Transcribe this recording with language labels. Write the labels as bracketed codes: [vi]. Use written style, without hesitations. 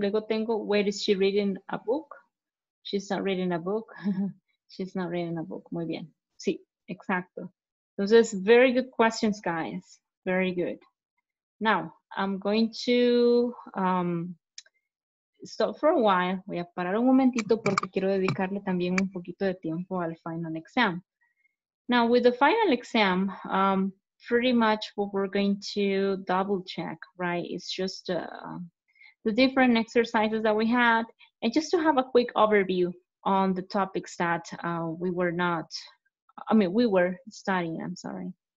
[es] Luego tengo, [en] where is she reading a book? She's not reading a book. She's not reading a book. [es] Muy bien. Sí, exacto. Entonces, [en] very good questions, guys. Very good. Now, I'm going to stop for a while. [es] Voy a parar un momentito porque quiero dedicarle también un poquito de tiempo al final exam. [en] Now, with the final exam, pretty much what we're going to double check, right? It's just the different exercises that we had and just to have a quick overview on the topics that we were studying, I'm sorry.